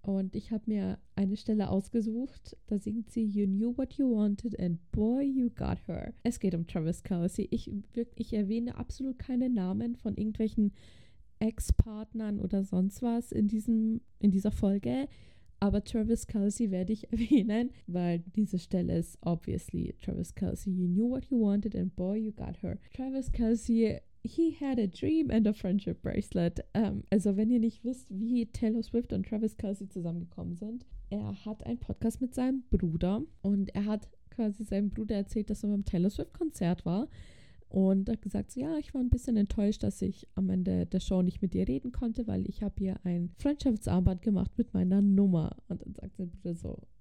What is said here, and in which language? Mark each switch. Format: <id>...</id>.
<de>Und ich habe mir eine Stelle ausgesucht, da singt sie</de> <en>You knew what you wanted and boy, you got her.</en> <de>Es geht um Travis Kelce. Ich erwähne absolut keine Namen von irgendwelchen Ex-Partnern oder sonst was in dieser Folge. Aber Travis Kelce werde ich erwähnen, weil diese Stelle ist obviously Travis Kelce.</de> <en>You knew what you wanted and boy, you got her. Travis Kelce, he had a dream and a friendship bracelet.</en> <de>Also wenn ihr nicht wisst, wie Taylor Swift und Travis Kelce zusammengekommen sind, er hat einen Podcast mit seinem Bruder und er hat quasi seinem Bruder erzählt, dass er beim Taylor Swift Konzert war und hat gesagt, so, ja, ich war ein bisschen enttäuscht, dass ich am Ende der Show nicht mit dir reden konnte, weil ich habe hier ein Freundschaftsarmband gemacht mit meiner Nummer. Und dann sagt sein Bruder so,</de>